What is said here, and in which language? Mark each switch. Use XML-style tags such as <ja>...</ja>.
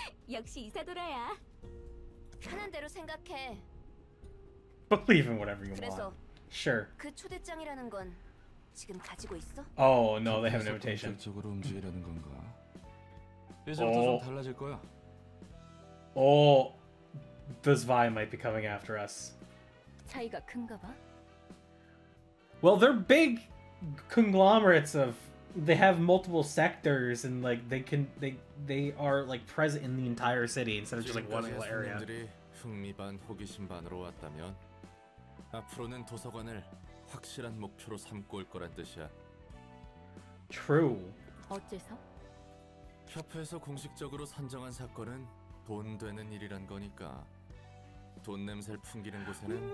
<ko>역시 이사도라야. 편한 대로 생각해.</ko> <en>Believe in whatever you want. Sure.</en> <ko>그 초대장이라는 건 지금 가지고 있어?</ko> <en>Oh no, they have an invitation.</en> <ko>쪽으로 움직이려는 건가? 이제부터 좀 달라질 거야.</ko> <en>Oh, the Zvi might be coming after us.</en> <ko>차이가 큰가 봐.</ko> <en>Well, they're big conglomerates of. They have multiple sectors and like they can they are like present in the entire city instead of just like one little area.</en> <ko>흥미반 호기심 반으로 왔다면 앞으로는 도서관을 확실한 목표로 삼고 올 거란 뜻이야.</ko> <en>True.</en> <ko>어째서? 협회에서 공식적으로 선정한 사건은 돈 되는 일이란 거니까 돈 냄새를 풍기는 곳에는</ko>